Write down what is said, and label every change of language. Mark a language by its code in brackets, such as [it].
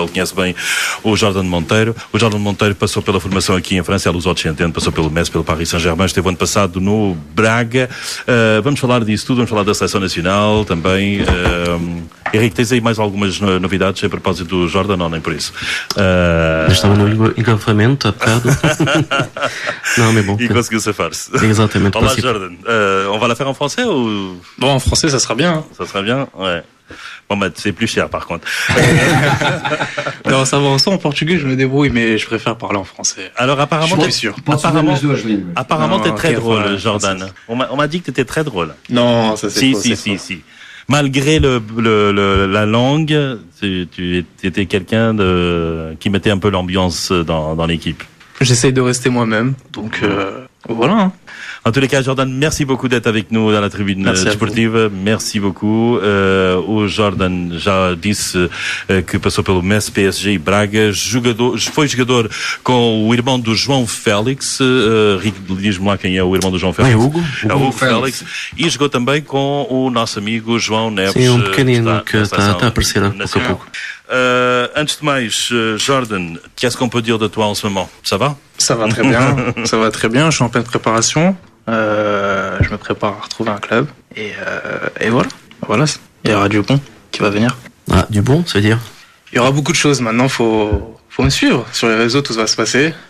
[pt] Ele conhece bem o Jordan Monteiro. O Jordan Monteiro passou pela formação aqui em França, é Lusodescendente, passou pelo Metz, pelo Paris Saint-Germain, esteve ano passado no Braga. Vamos falar disso tudo, vamos falar da Seleção Nacional também. Henrique, tens aí mais algumas novidades a propósito do Jordan, ou nem por isso? Estava no engafamento, há bocado. Não, mas bom. E conseguiu safar-se. Exatamente. Olá, Jordan. [fr] On va la faire en français ou... Bon, en français, ça sera bien. Ça sera bien, ouais. Bon, mais c'est plus cher, par contre. Non, ça va, en portugais, je me débrouille, mais je préfère parler en français. Alors, apparemment, je suis sûr. Apparemment, t'es très drôle, Jordan. On m'a dit que t'étais très drôle. Non, ça c'est faux. Si. Malgré la langue, tu étais quelqu'un qui mettait un peu l'ambiance dans l'équipe. J'essaye de rester moi-même, donc voilà. En tous les cas, Jordan, merci beaucoup d'être avec nous dans la tribune sportive. Merci beaucoup. [pt] O Jordan já disse que passou pelo Messi, PSG e Braga. Foi jogador com o irmão do João Félix. Rico, diz-me lá quem é o irmão do João Félix. É Hugo Félix. E jogou também com o nosso amigo João Neves. Sim, um pequenino que está a aparecer há pouco a pouco. Antes de mais, [fr] Jordan, qu'est-ce qu'on peut dire de toi en ce moment? Ça va? Ça va très bien. Ça va très bien. Je suis en pleine préparation. Je me prépare à retrouver un club. Et voilà. Voilà. Il y aura du bon qui va venir. Ah, du bon, ça veut dire? Il y aura beaucoup de choses. Maintenant, faut me suivre. Sur les réseaux, tout va se passer.